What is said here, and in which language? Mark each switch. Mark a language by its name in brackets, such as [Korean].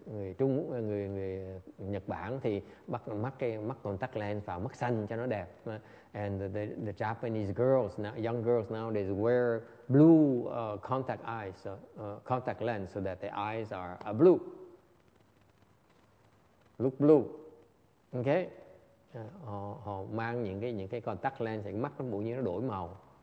[Vietnamese] Người Nhật Bản thì bắt mắt contact lens vào mắt xanh cho nó đẹp. [English] And the Japanese girls now, young girls now, they wear blue contact eyes, contact lens, so that the eyes are blue, look blue. [Vietnamese] Okay, họ mang những cái contact lens thì mắt nó bụi như nó đổi màu.